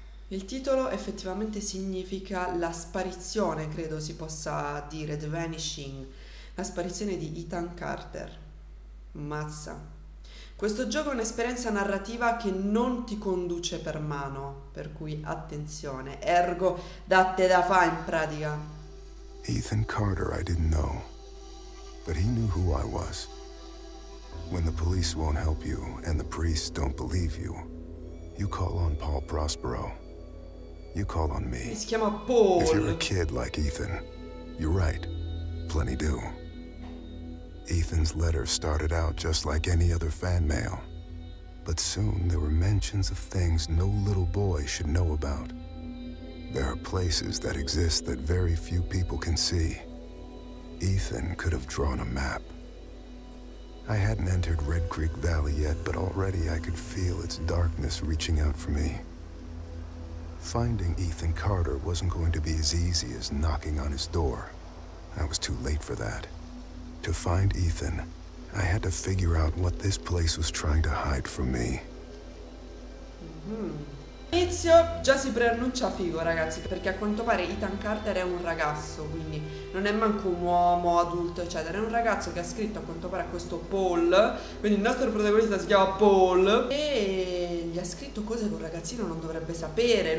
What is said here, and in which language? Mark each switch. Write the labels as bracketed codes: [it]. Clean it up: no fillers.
[it] Il titolo effettivamente significa la sparizione, credo si possa dire, The Vanishing, la sparizione di Ethan Carter. Mazza. Questo gioco è un'esperienza narrativa che non ti conduce per mano, per cui attenzione, ergo datte da fa in pratica. [en] Ethan Carter, I didn't know, but he knew who I was. When the police won't help you and the priests don't believe you, you call on Paul Prospero. You call on me. [it] Si chiama Paul. [en] If you're a kid like Ethan, you're right. Plenty do. Ethan's letter started out just like any other fan mail. But soon there were mentions of things no little boy should know about. There are places that exist that very few people can see. Ethan could have drawn a map. I hadn't entered Red Creek Valley yet, but already I could feel its darkness reaching out for me. Finding Ethan Carter wasn't going to be as easy as knocking on his door. I was too late for that. To find Ethan, I had to figure out what this place was trying to hide from me. [it] Inizio già si preannuncia figo ragazzi, perché a quanto pare Ethan Carter è un ragazzo, quindi non è manco un uomo adulto eccetera, è un ragazzo che ha scritto a quanto pare a questo Paul, quindi il nostro protagonista si chiama Paul, e gli ha scritto cose che un ragazzino non dovrebbe sapere.